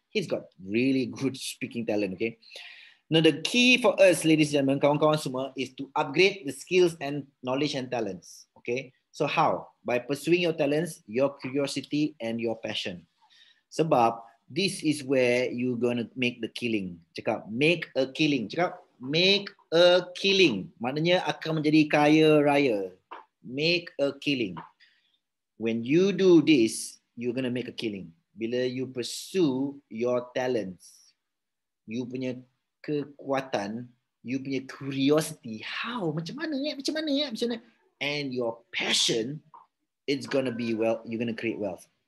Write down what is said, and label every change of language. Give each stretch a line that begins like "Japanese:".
English: He's got really good speaking talent, okay? Now, the key for us, ladies and gentlemen,
Malay: kawan-kawan semua,
English: is to upgrade the skills and knowledge and talents, okay? So how? By pursuing your talents, your curiosity, and your passion.
Malay: Sebab,
English: this is where you're going to make the killing.
Malay: Cakap,
English: make a killing. Cakap, make a killing.
Malay: Maknanya akan menjadi kaya raya.
English: Make a killing. When you do this, you're going to make a killing.
Malay: Bila
English: you pursue your talents, you
Malay: punya kekuatan,
English: you punya curiosity, how,
Malay: macam mana,
English: and your passion, it's going to be well, you're going to create wealth.